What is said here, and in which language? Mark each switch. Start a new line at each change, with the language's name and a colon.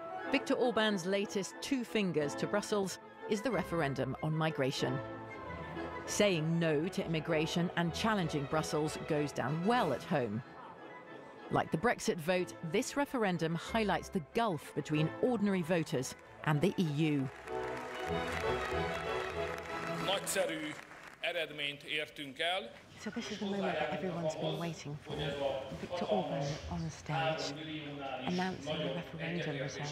English: Viktor Orbán's latest two fingers to Brussels is the referendum on migration. Saying no to immigration and challenging Brussels goes down well at home. Like the Brexit vote, this referendum highlights the gulf between ordinary voters and the EU.
Hungarian: Nagyszerű eredményt értünk el.
English: So this is the moment that everyone's been waiting for. Viktor Orbán on the stage announcing the referendum result.